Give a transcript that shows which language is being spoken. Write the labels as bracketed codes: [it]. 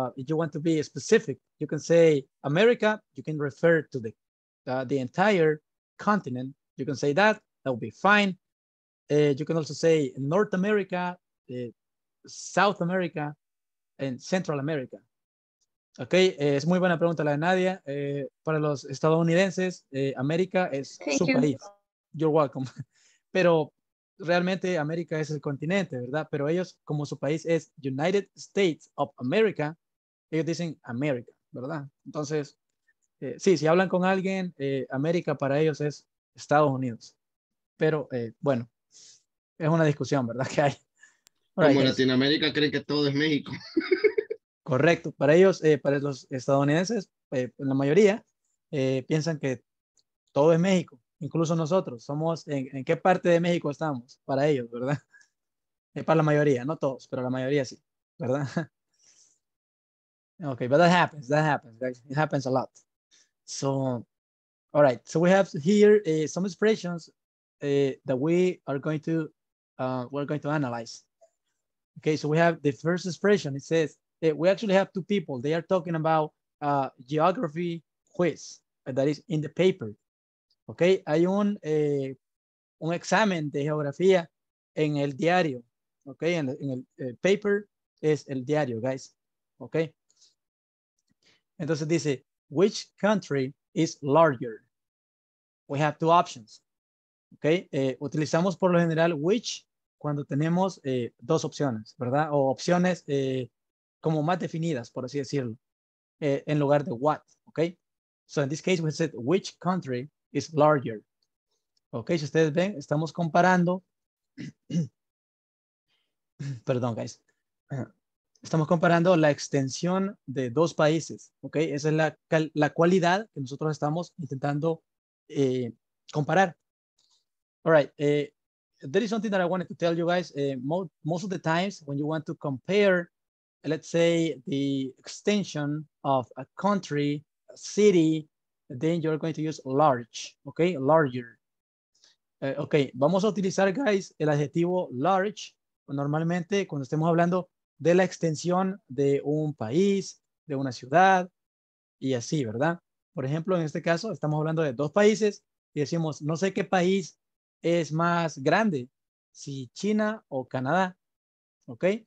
[en] If you want to be specific, you can say America, you can refer to the entire continent. You can say that, that would be fine. You can also say North America, South America, and Central America. [es] Okay, es muy buena pregunta la de Nadia. Para los estadounidenses, América es su país. [en] You're welcome. [es] Pero realmente América es el continente, ¿verdad? Pero ellos, como su país es United States of America, ellos dicen América, ¿verdad? Entonces, sí, si hablan con alguien, América para ellos es Estados Unidos. Pero bueno, es una discusión, ¿verdad? Que hay. Como right, Latinoamérica es. Creen que todo es México. Correcto. Para ellos, para los estadounidenses, la mayoría piensan que todo es México. Incluso nosotros somos, ¿en qué parte de México estamos? Para ellos, ¿verdad? Para la mayoría, no todos, pero la mayoría sí, ¿verdad? [en] Okay, but that happens, it happens a lot. So, all right, so we have here some expressions that we are going to, we're going to analyze. Okay, so we have the first expression, it says, we actually have two people. They are talking about geography quiz that is in the paper. Okay, hay un examen de geografía en el diario. Okay, en el paper es el diario, guys. Okay. [es] Entonces dice, [en] which country is larger? We have two options. [es] Okay, utilizamos por lo general which cuando tenemos dos opciones, ¿verdad? O opciones como más definidas, por así decirlo, en lugar de what, okay? [en] So in this case, we said, which country is larger? [es] Okay, si ustedes ven, estamos comparando, perdón, guys. Estamos comparando la extensión de dos países, ¿ok? Esa es la cualidad que nosotros estamos intentando comparar. [en] All right. There is something that I wanted to tell you guys. Most of the times when you want to compare, let's say, the extension of a country, a city, then you're going to use large, ¿ok? Larger. [es] Ok, vamos a utilizar, guys, el adjetivo large normalmente cuando estemos hablando de la extensión de un país, de una ciudad y así, ¿verdad? Por ejemplo, en este caso estamos hablando de dos países y decimos, no sé qué país es más grande, si China o Canadá, ¿ok?